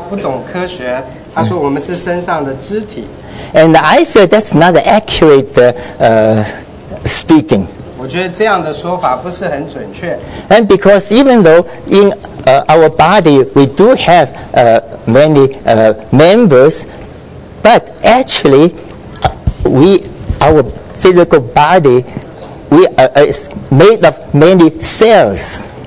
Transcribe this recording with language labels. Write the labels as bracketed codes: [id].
[zh] 我高中的时候，我觉得保罗他不懂科学，他说我们是身上的肢体。 [en] And I feel that's not accurate speaking. [zh] 我觉得这样的说法不是很准确。 [en] And because even though in our body we do have many members, but actually our physical body is made of many cells.